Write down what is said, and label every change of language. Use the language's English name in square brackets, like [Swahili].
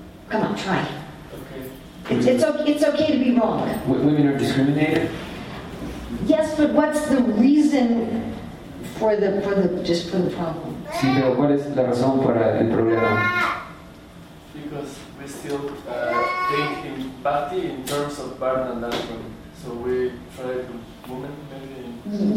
[English] Come on, try. Okay. It's okay to be wrong. Women are discriminated. Yes, but what's the reason for the problem? [Spanish] Sí, pero ¿cuál es la razón para el problema? [English] Because we still think in bhakti in terms of varnanashram, so we try to women maybe.